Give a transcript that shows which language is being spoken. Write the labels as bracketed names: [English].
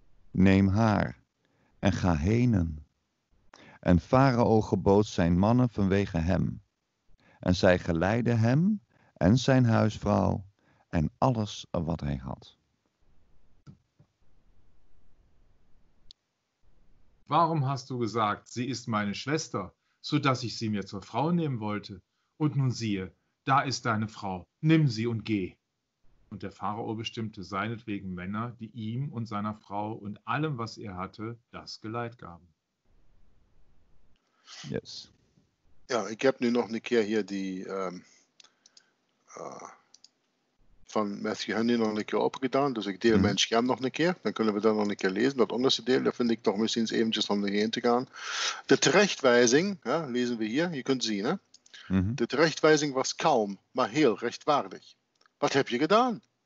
[Dutch] Neem haar, en ga henen. En Farao gebood zijn mannen vanwege hem. En zij geleidden hem en zijn huisvrouw en alles wat hij had. [German] Waarom hast du gesagt, sie ist meine Schwester, sodass ich sie mir zur Frau nehmen wollte? Und nun siehe, da ist deine Frau, nimm sie und geh. Und der Pharao bestimmte seinetwegen Männer, die ihm und seiner Frau und allem, was er hatte, das Geleit gaben. [English] Yes. [Dutch] Ja, ik heb nu nog een keer hier die van Matthew Henry nog een keer opgedaan. Dus ik deel mijn scherm nog een keer. Dan kunnen we dat nog een keer lezen. Dat onderste deel, dat vind ik toch misschien eventjes om erheen te gaan. De terechtwijzing, ja, lezen we hier. Je kunt zien, hè. De terechtwijzing was kalm, maar heel rechtvaardig. Wat heb je gedaan?